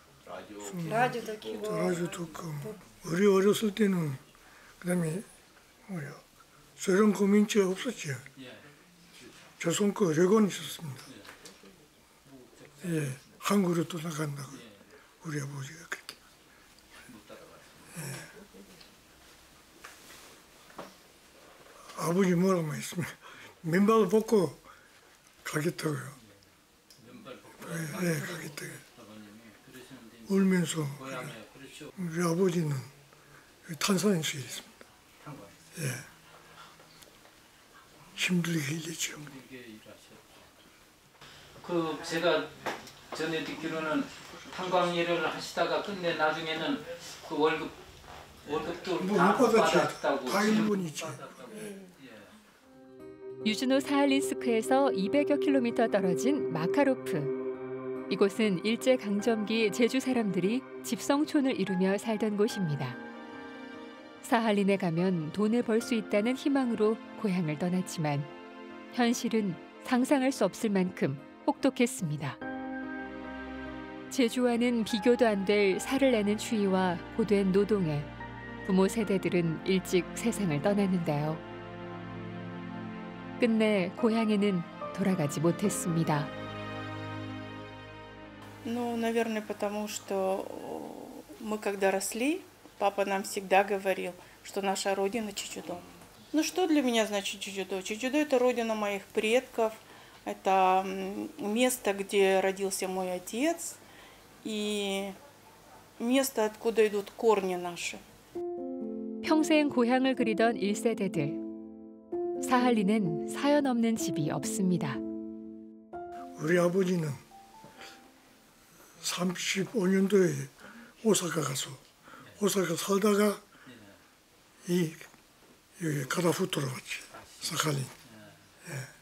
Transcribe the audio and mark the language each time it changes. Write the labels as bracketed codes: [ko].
[ru] Радио только. Радио только. Радио только. [ko] Радио 울면서 우리 아버지는 탄산수에 있습니다. 예, 힘들게 일했죠. 그 제가 전에 듣기로는 탄광 일을 하시다가 근데 나중에는 그 월급도 뭐 다 못 받았다고. 다 일본이지. 예. 유즈노 사할린스크에서 200여 킬로미터 떨어진 마카로프. 이곳은 일제강점기 제주 사람들이 집성촌을 이루며 살던 곳입니다. 사할린에 가면 돈을 벌 수 있다는 희망으로 고향을 떠났지만 현실은 상상할 수 없을 만큼 혹독했습니다. 제주와는 비교도 안 될 살을 내는 추위와 고된 노동에 부모 세대들은 일찍 세상을 떠났는데요. 끝내 고향에는 돌아가지 못했습니다. [ru] Ну, наверное, потому что мы когда росли, папа нам всегда говорил, что наша родина Чеджудо. Ну что для меня значит Чеджудо? Чеджудо – это родина моих предков, это место, где родился мой отец, и место, откуда идут корни наши. [ko] 평생 고향을 그리던 1세대들. 사할린은 사연 없는 집이 없습니다. 우리 아버지는 35년도에 오사카 가서 오사카 살다가 이 여기 가다후토로 왔지, 사할린. 예.